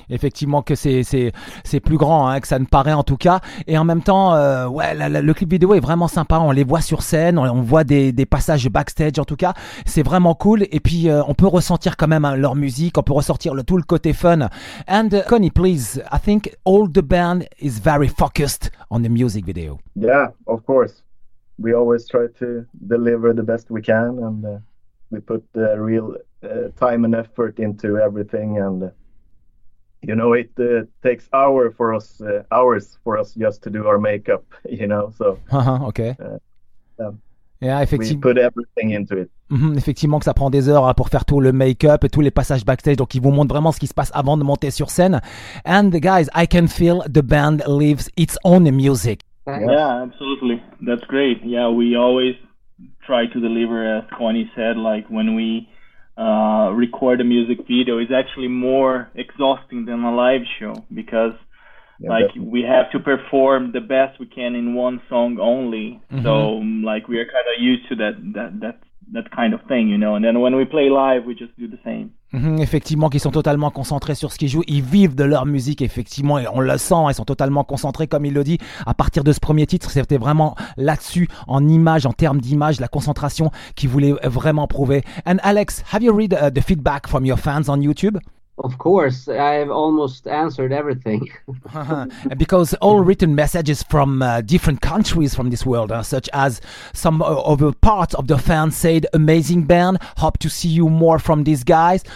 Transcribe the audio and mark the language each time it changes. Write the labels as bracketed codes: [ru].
[fr] Effectivement que c'est plus grand, hein, que ça ne paraît en tout cas. Et en même temps, le clip vidéo est vraiment sympa. On les voit sur scène, on voit des passages backstage en tout cas. C'est vraiment cool. Et puis on peut ressentir quand même, hein, leur musique. On peut ressortir tout le côté fun. [en] And Connie, please, I think all the band is very focused on the music video. Yeah, of course. We always try to deliver the best we can, and we put the real time and effort into everything. And you know, it takes hours for us just to do our makeup, you know, so. Uh-huh, okay. Yeah, effectivement. We put everything into it. [fr] Mm-hmm, effectivement que ça prend des heures pour faire tout le make-up et tous les passages backstage, donc ils vous montrent vraiment ce qui se passe avant de monter sur scène. [en] And guys, I can feel the band lives its own music. Yeah, absolutely. That's great. Yeah, we always try to deliver, as Connie said, like when we record a music video is actually more exhausting than a live show, because definitely. We have to perform the best we can in one song only. Mm-hmm. So like we are kind of used to that kind of thing, you know, and then when we play live we just do the same. [fr] Effectivement qu'ils sont totalement concentrés sur ce qu'ils jouent, ils vivent de leur musique effectivement, et on le sent, ils sont totalement concentrés comme il le dit à partir de ce premier titre. C'était vraiment là-dessus, en image, en termes d'image, la concentration qu'ils voulaient vraiment prouver. [en] And Alex, have you read the feedback from your fans on YouTube? Of course, I've almost answered everything. Because all written messages from different countries from this world, such as some of the parts of the fans said, amazing band, hope to see you more from these guys.